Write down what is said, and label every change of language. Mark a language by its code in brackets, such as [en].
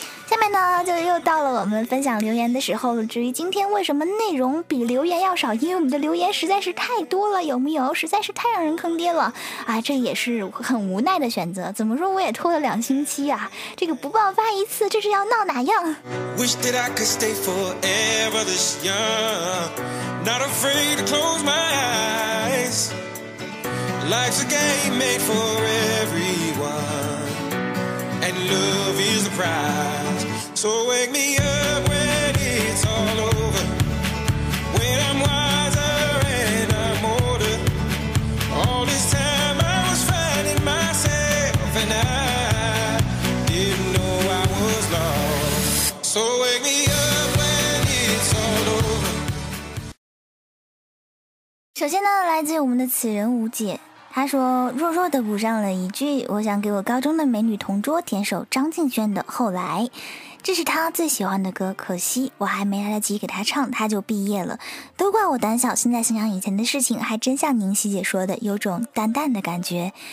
[zh] 下面呢就又到了我们分享留言的时候了。至于今天为什么内容比留言要少，因为我们的留言实在是太多了，有没有，实在是太让人坑爹了啊！这也是很无奈的选择，怎么说我也拖了两星期啊，这个不爆发一次这是要闹哪样。 [en] Wish that I could stay forever this young, not afraid to close my eyes. Life's a game made for everyone, and love is a prizeSo wake me up when it's all over, when I'm wiser and I'm older. All this time I was finding myself and I didn't know I was lost. So wake me up when it's all over. [zh] 首先呢，来自于我们的此人无解，他说弱弱的补上了一句，我想给我高中的美女同桌点首张敬轩的《后来》，这是他最喜欢的歌，可惜我还没来得及给他唱他就毕业了，都怪我胆小。现在想想以前的事情，还真像宁夕姐说的，有种淡淡的感觉。